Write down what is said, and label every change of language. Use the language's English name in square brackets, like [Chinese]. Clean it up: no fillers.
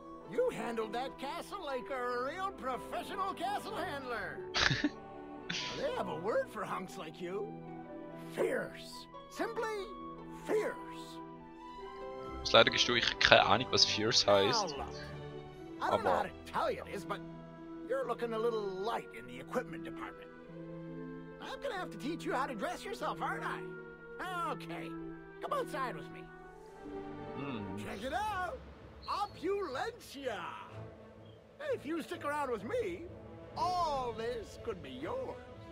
[English] You handled that castle like a real professional castle handler! They have a word for hunks like you. Fierce. Simply fierce. [German] Leider gestehe ich keine Ahnung, was fierce heißt. [English] I don't know how Italian is, but you're looking a little light in the equipment department. I'm gonna have to teach you how to dress yourself, aren't I? Okay, come outside with me. Check it out. Opulentia. If you stick around with me, all this could be yours.